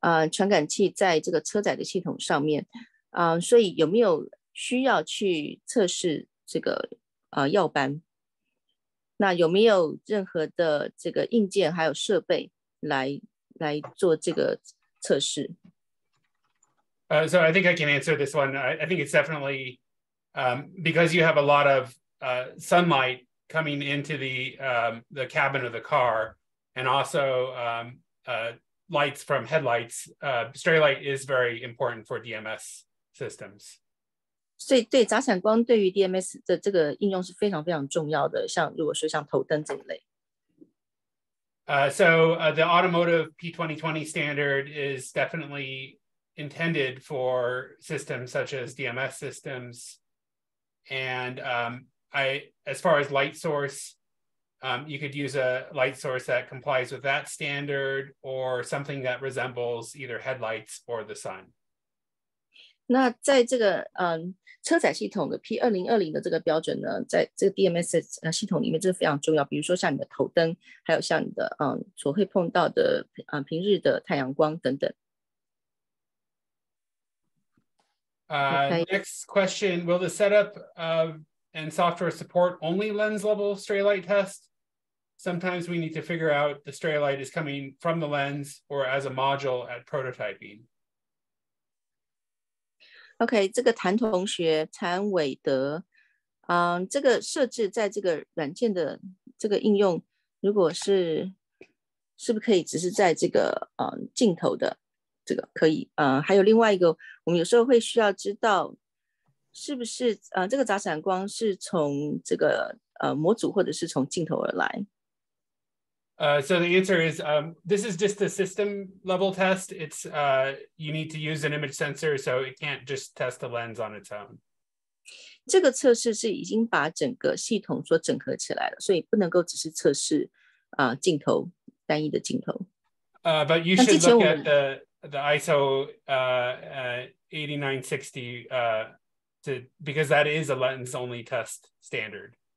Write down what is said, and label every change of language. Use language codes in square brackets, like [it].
[zh] 传感器在这个车载的系统上面，所以有没有需要去测试这个耀斑？那有没有任何的这个硬件还有设备来做这个测试 [en] ？So I think I can answer this one. I think it's definitely because you have a lot of sunlight. Coming into the cabin of the car, and also lights from headlights. Stray light is very important for DMS systems. [zh] 所以对杂闪光对于 DMS 的这个应用是非常非常重要的，像如果说像头灯这一类。 [en] The automotive P2020 standard is definitely intended for systems such as DMS systems. And as far as light source, you could use a light source that complies with that standard or something that resembles either headlights or the sun. [zh] 那在这个车载系统的 P2020 的这个标准呢，在这个 DMS 系统里面，这是非常重要。比如说像你的头灯，还有像你的所会碰到的平日的太阳光等等。 [en] Next question: Will the setup of and software support only lens level stray light test? Sometimes we need to figure out the stray light is coming from the lens or as a module at prototyping. [zh] OK， 这个谭同学，谭伟德，这个设置在这个软件的这个应用，如果是，是不是可以只是在这个镜头的这个可以？还有另外一个，我们有时候会需要知道，是不是这个杂闪光是从这个模组或者是从镜头而来？ [en] So the answer is, this is just a system level test. It's, you need to use an image sensor, so it can't just test the lens on its own. [zh] 这个测试是已经把整个系统所整合起来了，所以不能够只是测试镜头，单一的镜头。 [en] But you should look at the ISO 8960, because that is a lens only test standard.